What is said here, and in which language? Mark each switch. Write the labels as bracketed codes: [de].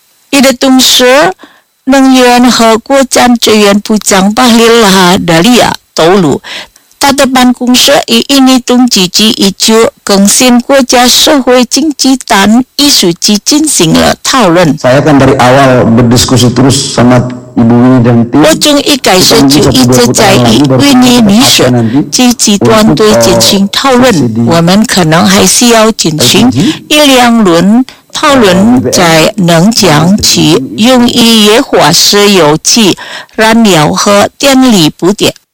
[zh] 与此同时，能源和国家资源部长巴里拉达利亚透露，他的办公室与印尼统计局已就更新国家社会经济单一数据进行了讨论。 [id] Saya kan dari awal berdiskusi terus sama ibu ini dan tim. [zh] 我从一开始就一直在与维尼女士及其团队进行讨论，我们可能还需要进行一两轮讨论，在能将其用于液化石油气燃料和电力补贴。